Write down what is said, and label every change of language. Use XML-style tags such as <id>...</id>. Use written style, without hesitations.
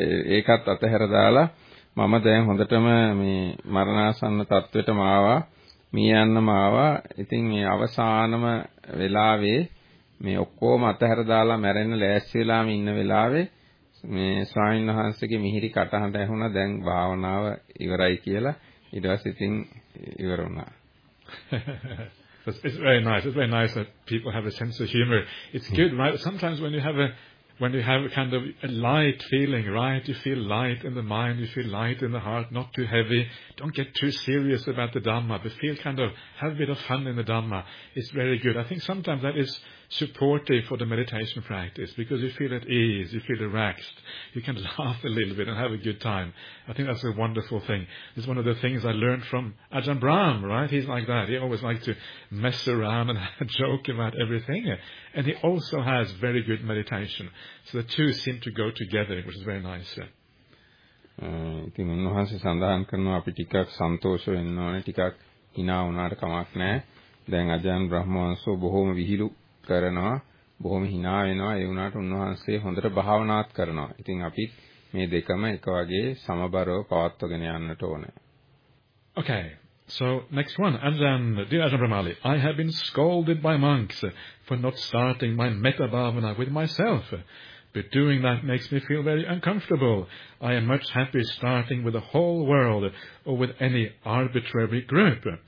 <si>ඒකත් අතහැර දාලා මම දැන් හොඳටම මේ මරණාසන්න තත්වෙටම ආවා, මියන්නම ආවා. ඉතින් මේ අවසානම වෙලාවේ මේ ඔක්කොම අතහැර දාලා මැරෙන්න ලෑස්ති වෙලාම ඉන්න වෙලාවේ මේ ස්වාමීන් වහන්සේගේ මිහිරි කටහඬ ඇහුණා, දැන් භාවනාව ඉවරයි කියලා. ඊට පස්සේ ඉතින් ඉවර වුණා.</si> <en>It's very nice that people have a sense of humor. It's good, right? Sometimes when you have a kind of a light feeling, right? You feel light in the mind, you feel light in the heart, not too heavy. Don't get too serious about the Dhamma, but feel kind of, have a bit of fun in the Dhamma. It's very good. I think sometimes that is supportive for the meditation practice, because you feel at ease, you feel relaxed. You can laugh a little bit and have a good time. I think that's a wonderful thing. It's one of the things I learned from Ajahn Brahm, right? He's like that. He always likes to mess around and joke about everything. And he also has very good meditation. So the two seem to go together, which is very nice.</en> <si>ඉතින් උන්වහන්සේ සඳහන් කරනවා අපි ටිකක් සන්තෝෂ වෙන්න ඕනේ, ටිකක් hina වුණාට කමක් නැහැ. දැන් අජන් බ්‍රහ්මවංශෝ බොහොම විහිළු කරනවා, බොහොම hina වෙනවා. ඒ වුණාට උන්වහන්සේ හොඳට භාවනාත් කරනවා. ඉතින් අපි මේ දෙකම එක වගේ සමබරව පවත්වගෙන යන්නට ඕනේ.</si> <en>Okay. So, next one, Ajahn, dear Ajahn Brahmali, I have been scolded by monks for not starting my metta bhavana with myself, but doing that makes me feel very uncomfortable. I am much happier starting with the whole world or with any arbitrary group.</en>